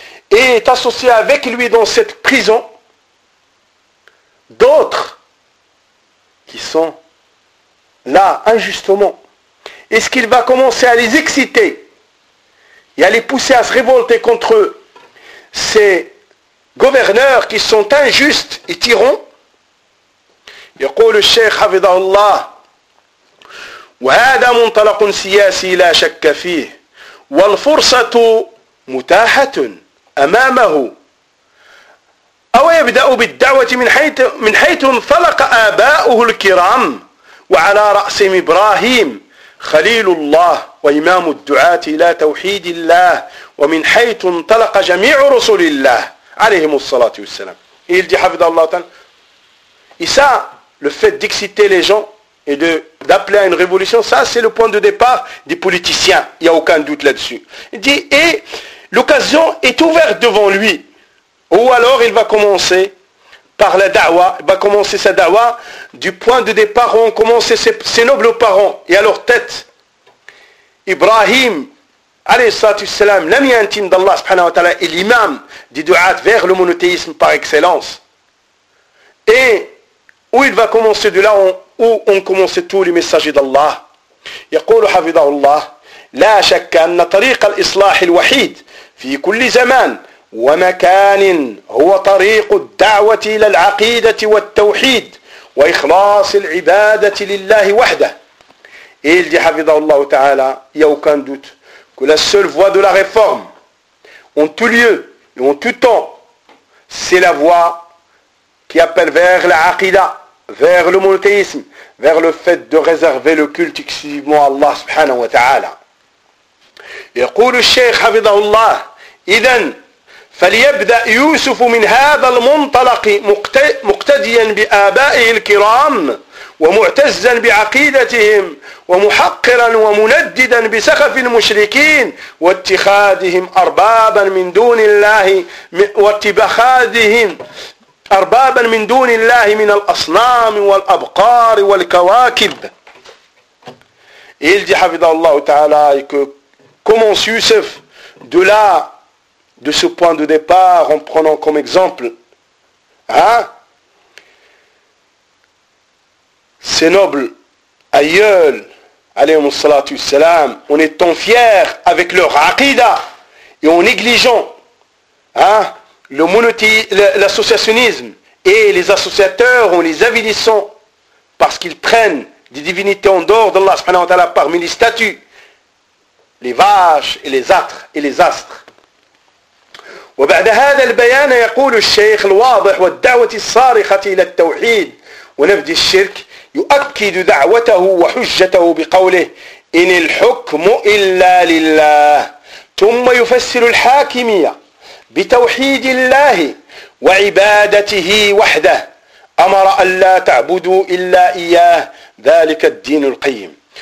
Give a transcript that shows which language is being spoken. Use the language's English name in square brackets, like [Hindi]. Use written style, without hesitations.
[French] Et est associé avec lui dans cette prison d'autres qui sont là injustement. Est-ce qu'il va commencer à les exciter et à les pousser à se révolter contre eux? C'est gouverneurs qui sont injustes et tyrans. [Arabic] يقول الشيخ حفظه الله وهذا منطلق سياسي لا شك فيه والفرصة متاحة أمامه أو يبدأ بالدعوة من حيث انطلق آباؤه الكرام وعلى رأس إبراهيم خليل الله وإمام الدعاة إلى توحيد الله ومن حيث انطلق جميع رسل الله عليهم الصلاة والسلام. [French] Et il dit حفظ الله تعالى. Et ça, le fait d'exciter les gens et d'appeler à une révolution, ça c'est le point de départ des politiciens. Il n'y a aucun doute là-dessus. Il dit, et l'occasion est ouverte devant lui. Ou alors il va commencer par la da'wa, il va commencer sa da'wa du point de départ où ont commencé ses nobles parents et à leur tête. Ibrahim, [Arabic] عليه الصلاة والسلام لم ينتمد الله سبحانه وتعالى الإمام دي دعاة [French] vers le monothéisme par excellence et où il va commencer de là où ont commencé tous les messagers d'Allah. [Arabic] يقول حفظه الله لا شك أن طريق الإصلاح الوحيد في كل زمان ومكان هو طريق الدعوة إلى العقيدة والتوحيد وإخلاص العبادة لله وحده. [French] Il dit حفظه الله تعالى يا aucun doute que la seule voie de la réforme, en tout lieu et en tout temps, c'est la voie qui appelle vers la aqida, vers le monothéisme, vers le fait de réserver le culte exclusivement à Allah subhanahu wa ta'ala. [Arabic] يقول الشيخ حفظه الله إذن فليبدأ يوسف من هذا المنطلق مقتديا بآبائه الكرام ومعتزا بعقيدتهم ومحقرا ومنددا بسخف المشركين واتخاذهم أربابا من دون الله واتخاذهم أربابا من دون الله من الأصنام والأبقار والكواكب. [French] Il dit, Hafidhahullah Ta'ala, que commence Youssef de là, de ce point de départ, en prenant comme exemple, hein, ces nobles aïeuls, alayhi salatu salam, en étant fiers avec leur aqida et en négligeant, hein, l'associationnisme et les associateurs en les avilissant parce qu'ils prennent des divinités en dehors d'Allah subhanahu wa ta'ala parmi les statues, les vaches et les âtres et les astres. [Arabic] وبعد هذا البيان يقول الشيخ الواضح والدعوة الصارخة إلى التوحيد ونفذ الشرك يؤكد دعوته وحجته بقوله إن الحكم إلا لله ثم يفسر الحاكمية بتوحيد الله وعبادته وحده أمر أن لا تعبدوا إلا إياه ذلك الدين القيم.